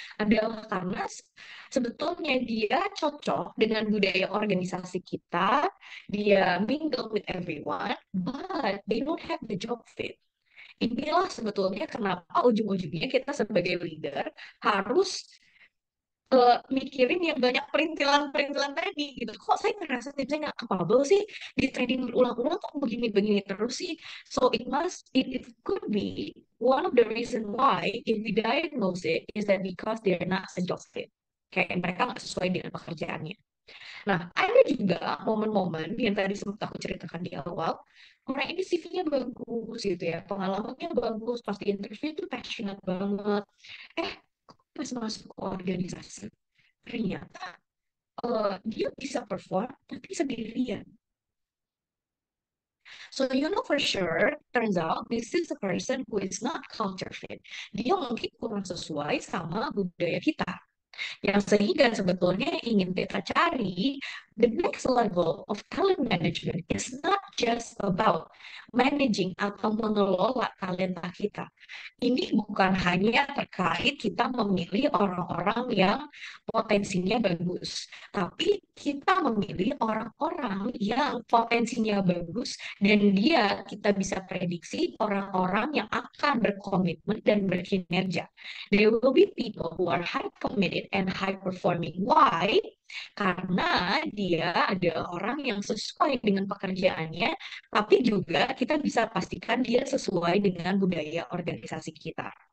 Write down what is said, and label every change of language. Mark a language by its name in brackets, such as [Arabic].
[Indonesian] Adalah karena sebetulnya dia cocok dengan budaya organisasi kita, dia [English] mingle with everyone, but they don't have the job fit. [Indonesian] Inilah sebetulnya kenapa ujung-ujungnya kita sebagai leader harus mikirin yang banyak perintilan-perintilan tadi gitu. Kok saya ngerasa tim saya nggak capable sih di training berulang-ulang kok begini-begini terus sih. [English] So it could be one of the reason why if we diagnose it is that because they're not a job fit. [Indonesian] Kayak mereka nggak sesuai dengan pekerjaannya. Nah, ada juga momen-momen yang tadi sempat aku ceritakan di awal, orang ini CV-nya bagus gitu ya, pengalamannya bagus, pasti interview itu passionate banget. Pas masuk ke organisasi, ternyata dia bisa perform, tapi sendirian. [English] So you know for sure, turns out this is a person who is not culture fit. [Indonesian] Dia mungkin kurang sesuai sama budaya kita. Yang sehingga sebetulnya ingin kita cari, [English] the next level of talent management is not just about managing [Indonesian] atau mengelola talenta kita. Ini bukan hanya terkait kita memilih orang-orang yang potensinya bagus, tapi kita memilih orang-orang yang potensinya bagus dan dia kita bisa prediksi orang-orang yang akan berkomitmen dan berkinerja. [English] There will be people who are high committed and high performing. Why? [Indonesian] Karena dia ada orang yang sesuai dengan pekerjaannya, tapi juga kita bisa pastikan dia sesuai dengan budaya organisasi kita.